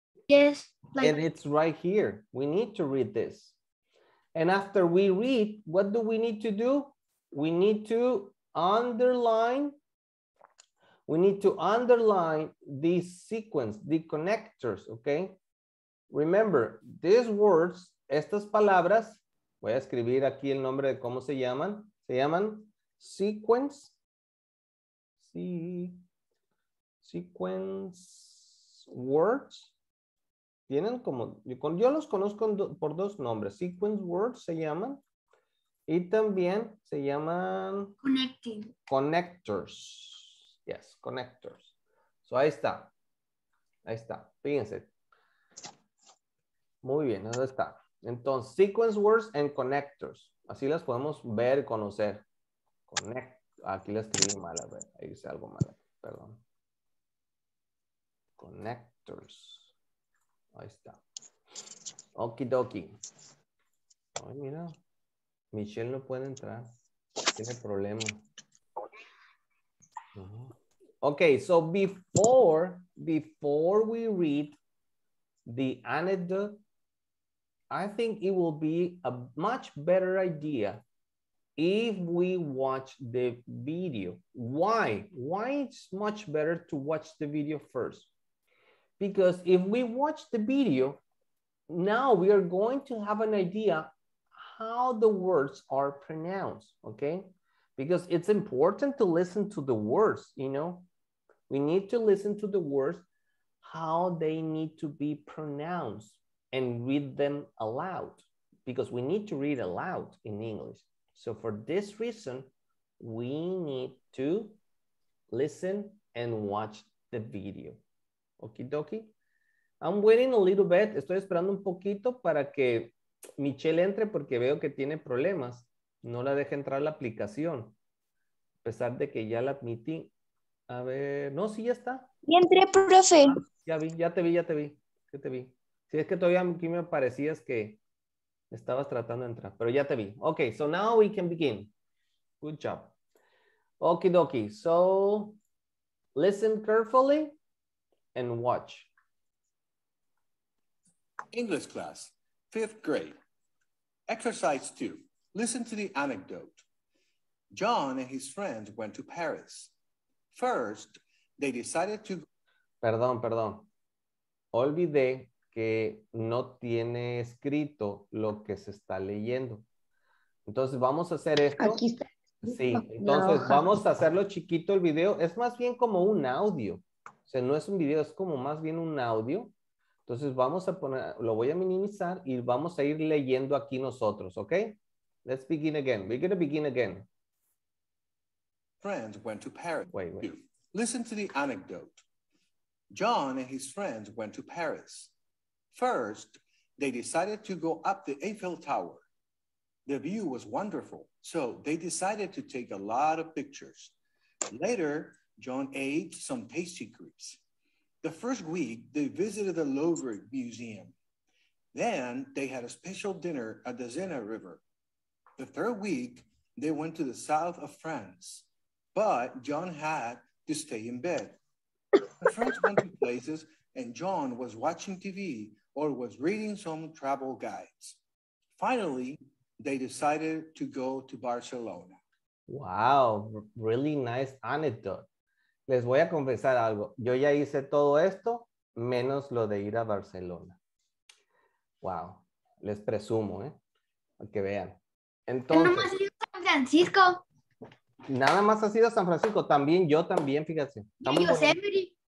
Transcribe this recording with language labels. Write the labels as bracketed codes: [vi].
[en] Yes. Like, and it's right here. We need to read this. And after we read, what do we need to do? We need to underline. We need to underline the sequence, the connectors, okay? Remember, these words, [es] estas palabras, voy a escribir aquí el nombre de cómo se llaman. Se llaman sequence. Sequence words. Tienen como, yo los conozco por dos nombres. Sequence words se llaman. Y también se llaman... [en] Connecting. Connectors. Yes, connectors. So [es] ahí está. Ahí está. Fíjense. Muy bien, ahí está. Entonces, [en] sequence words and connectors. [es] Así las podemos ver, conocer. Connect. Aquí las escribí mal, a ver. Ahí hice algo mal. Perdón. Connectors. Ahí está. [en] Okie dokie. [es] Ay, mira. Michelle no puede entrar. Tiene problema. [en] Okay, so before we read the anecdote, I think it will be a much better idea if we watch the video. Why? Why it's much better to watch the video first? Because if we watch the video, now we are going to have an idea how the words are pronounced, okay? Because it's important to listen to the words, you know? We need to listen to the words, how they need to be pronounced, and read them aloud, because we need to read aloud in English. So for this reason, we need to listen and watch the video. Okie dokie. I'm waiting a little bit. [es] Estoy esperando un poquito para que Michelle entre porque veo que tiene problemas. No la deja entrar la aplicación. A pesar de que ya la admití. A ver, no, sí, ya está. Y entré, profe. Ah, ya vi, ya te vi. ¿Qué te vi? Sí, es que todavía aquí me parecías que estabas tratando de entrar, pero ya te vi. [en] Ok, so now we can begin. Good job. Okie dokie. So, listen carefully and watch. English class, fifth grade. Exercise two. Listen to the anecdote. John and his friends went to Paris. First, they decided to... [es] Perdón. Olvidé que no tiene escrito lo que se está leyendo. Entonces, vamos a hacer esto. Aquí está. Sí, entonces no. Vamos a hacerlo chiquito el video. Es más bien como un audio. O sea, no es un video, es como más bien un audio. Entonces, vamos a poner... Lo voy a minimizar y vamos a ir leyendo aquí nosotros, ¿ok? [en] Let's begin again. We're going to begin again. Friends went to Paris. Wait. Listen to the anecdote. John and his friends went to Paris. First, they decided to go up the Eiffel Tower. The view was wonderful, so they decided to take a lot of pictures. Later, John ate some tasty treats. The first week, they visited the Louvre Museum. Then they had a special dinner at the Seine River. The third week, they went to the south of France, but John had to stay in bed. The friends went to places and John was watching TV or was reading some travel guides. Finally, they decided to go to Barcelona. Wow, really nice anecdote. [es] Les voy a confesar algo. Yo ya hice todo esto, menos lo de ir a Barcelona. Wow, les presumo, ¿eh? Que vean. Entonces, nada más ha sido San Francisco. Nada más ha sido San Francisco. También yo también, fíjate. Y Yosemite.